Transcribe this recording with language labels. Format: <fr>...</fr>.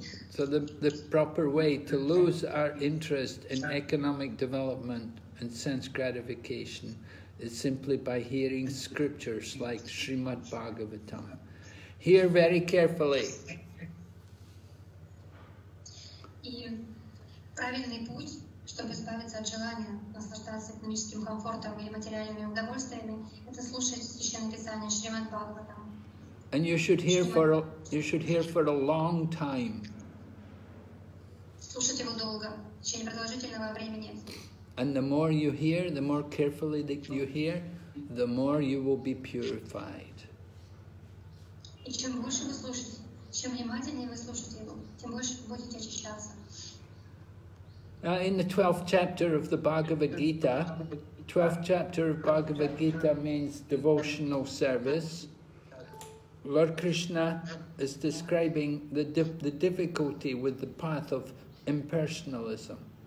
<en>So the proper way to lose our interest in economic development and sense gratification is simply by hearing scriptures like Srimad Bhagavatam. Hear very carefully.</en> <ru>И правильный путь, чтобы избавиться от желания наслаждаться экономическим комфортом или материальными удовольствиями, это слушать священное писание Шримад Бхагаватам.</ru> <en>And you should hear for a long time.</en> <ru>Слушать его долго, в течение продолжительного времени.</ru> <en>And the more you hear, the more carefully that you hear, the more you will be purified.</en> <ru>И чем больше вы слушаете, чем внимательнее вы слушаете его, тем больше вы будете очищаться.</ru> <en>In the 12th chapter of the Bhagavad Gita, 12th chapter of Bhagavad Gita means devotional service. Lord Krishna is describing the difficulty with the path of impersonalism.</en>